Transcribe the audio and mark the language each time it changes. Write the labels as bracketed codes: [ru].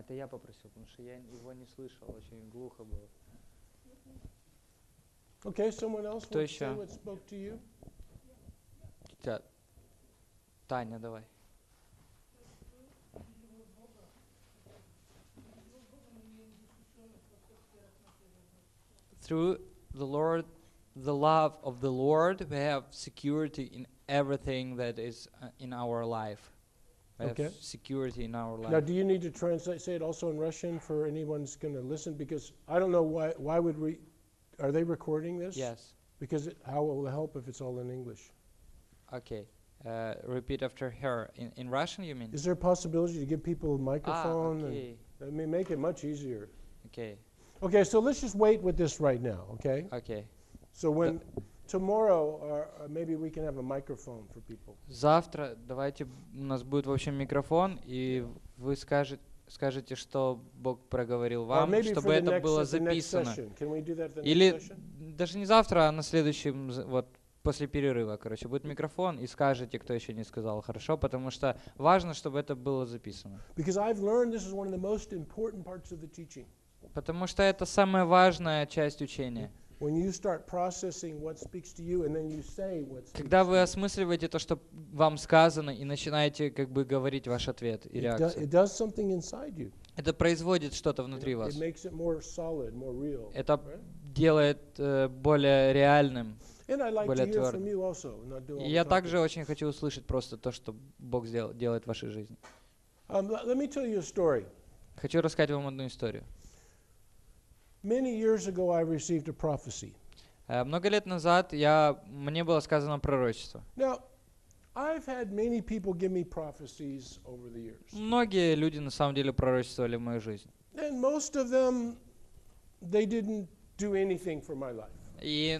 [ru] Это я попросил, потому что я его не слышал, очень глухо было. [en] Okay, someone else wants to say what spoke to you? [ru] Таня, давай. [en] Through the Lord, the love of the Lord, we have security in everything that is in our life. Have security in our life. Now, do you need to translate, say it also in Russian for anyone's going to listen? Because I don't know why would we, are they recording this? Yes. Because how will it help if it's all in English? Okay. Repeat after her. In Russian, you mean? Is there a possibility to give people a microphone? Ah, okay. And, I mean, make it much easier. Okay. Okay, so let's just wait with this right now, okay? Okay. So when tomorrow, or maybe we can have a microphone for people. [ru] Завтра давайте у нас будет, в общем, микрофон, и вы скажете, что Бог проговорил вам, чтобы это было записано. [en] Can we do that the next [ru] Или [en] session? [ru] Даже не завтра, а на следующем, вот после перерыва, короче, будет микрофон, и скажете, кто еще не сказал, хорошо, потому что важно, чтобы это было записано. [en] Because I've learned this is one of the most important parts of the teaching. [ru] Потому что это самая важная часть учения. Когда вы осмысливаете то, что вам сказано, и начинаете как бы говорить ваш ответ и реакцию, это производит что-то внутри вас. [en] It makes it more solid, more real, [ru] это [en] right? [ru] делает более реальным, [en] like [ru] более твердым. [en] Also, [ru] и я также очень хочу услышать просто то, что Бог делает в вашей жизни. [en] Let me tell you a story. [ru] Хочу рассказать вам одну историю. [en] Many years ago, I received a prophecy. [ru] Много лет назад мне было сказано пророчество. [en] Now, I've had many people give me prophecies over the years. [ru] Многие люди на самом деле пророчествовали в мою жизнь. [en] And most of them, they didn't do anything for my life.